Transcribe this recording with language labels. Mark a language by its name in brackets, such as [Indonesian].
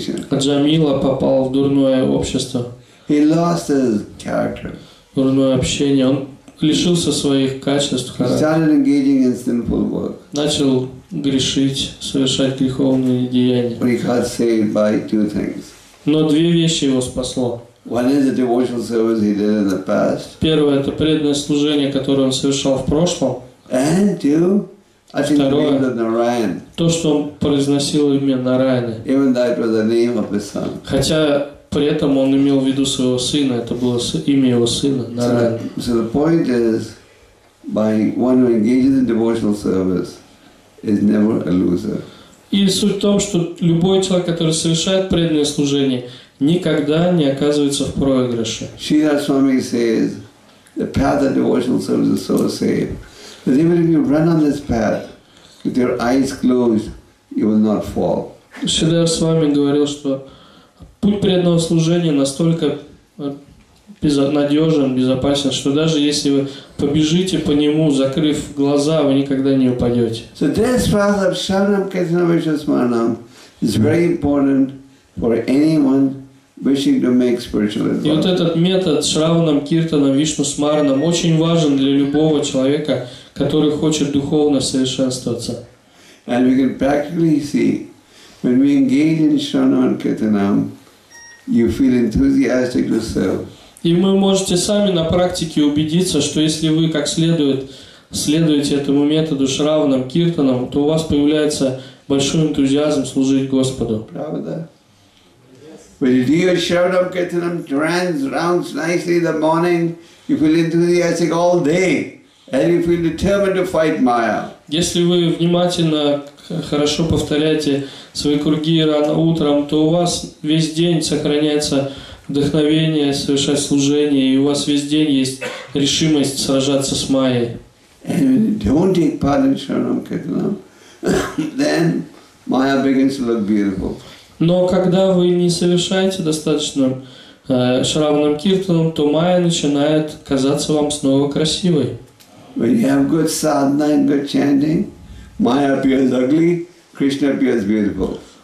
[Russian] Аджамила попал в дурное общество. Дурное общение. Он лишился своих качеств, характера. Начал грешить, совершать греховные деяния. Но две вещи его спасло. [English] One is the devotional service he did in the past. [Russian] Первое это преданное служение, которое он совершал в прошлом. [English] And two, I think [Russian] второе, [English] the name of Narayan. [Russian] То, что он произносил имя Нараяна. [English] Even though it was the name of his son. [Russian] Хотя при этом он имел в виду своего сына, это было имя его сына Нараяна. [English] So the point is, by one who engages in devotional service, is never a loser. [Russian] И суть в том, что любой человек, который совершает преданное служение, никогда не оказывается в проигрыше. [English] Шрила Свами says, the path of devotional service is so safe that even if you run on this path with your eyes closed, you will not fall. [Russian] Шрила Свами говорил, что путь преданного служения настолько надежен, безопасен, что даже если вы побежите по нему, закрыв глаза, вы никогда не упадете. [English] So this path of Sharanam Kirtanam Vishnu Smaranam is very important for anyone wishing to make spiritual advance. [Russian] И вот этот метод Шраванам Киртанам Вишну Смаранам очень важен для любого человека, который хочет духовно совершенствоваться. [English] And we can practically see when we engage in Shravanam Kirtanam, you feel enthusiastic yourself. [Russian] И вы можете сами на практике убедиться, что если вы как следует следуете этому методу Шраванам Киртанам, то у вас появляется большой энтузиазм служить Господу. Правда? [English] When you do your Shravanam Kirtanam trance rounds nicely in the morning, you feel enthusiastic all day, and you feel determined to fight Maya. [Russian] Если вы внимательно хорошо повторяете свои круги рано утром, то у вас весь день сохраняется вдохновение совершать служение, и у вас весь день есть решимость сражаться с Майей. [English] And when you don't take part in Shravanam Kirtanam, then Maya begins to look beautiful. [Russian] Но когда вы не совершаете достаточно Шраванам Киртанам, то Майя начинает казаться вам снова красивой. [English] When you have good sadhana and good chanting, Maya appears ugly, Krishna appears beautiful.